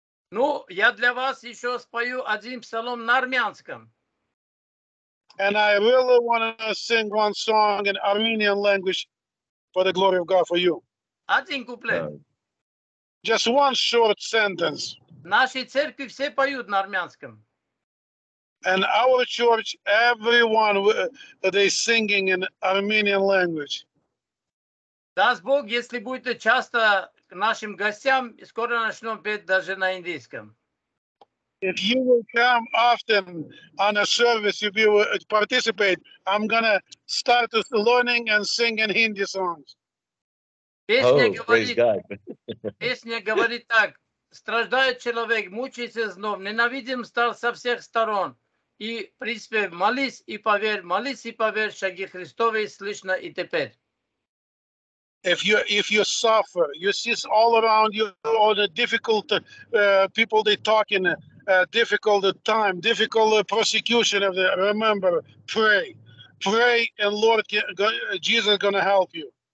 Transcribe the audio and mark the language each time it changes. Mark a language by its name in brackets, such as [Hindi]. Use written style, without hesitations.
[Russian] Ну, я для вас еще спою один псалом на армянском. [English] And I really want to sing one song in Armenian language for the glory of God for you. [Russian] Один куплет. [English] Just one short sentence. [Russian] Наши церкви все поют на армянском. [English] And our church, everyone, they singing in Armenian language. [Russian] Даст Бог, если будете часто к нашим гостям, скоро начнем петь даже на индийском. [English] If you will come often on a service, if you will participate, I'm gonna start learning and singing Hindi songs. [Russian] Песня говорит так. Страждает человек, мучается вновь, ненавидим стал со всех сторон. И, в принципе, молись и поверь, шаги Христовы слышно и теперь. [English] If you suffer, you see all around you all the difficult people they talk in a difficult time, difficult persecution of the, remember, pray and Lord Jesus gonna help you.